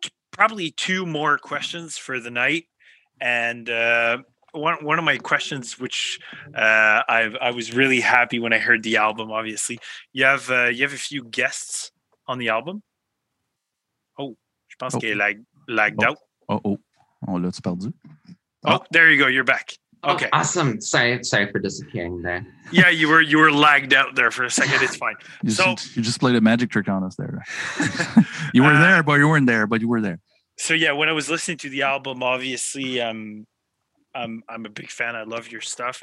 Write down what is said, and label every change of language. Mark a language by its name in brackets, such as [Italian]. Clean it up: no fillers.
[English] Probably two more questions for the night, and One of my questions, which I was really happy when I heard the album. Obviously, you have a few guests on the album. [French] Oh, je pense qu'il est [English] lagged out. [French] On l'a perdu. [English] Oh, there you go. You're back. Okay. Oh, awesome. Sorry for disappearing there. Yeah, you were lagged out there for a second. It's fine. You just played a magic trick on us there. You were there, but you weren't there. But you were there. So yeah, when I was listening to the album, obviously. I'm a big fan. I love your stuff.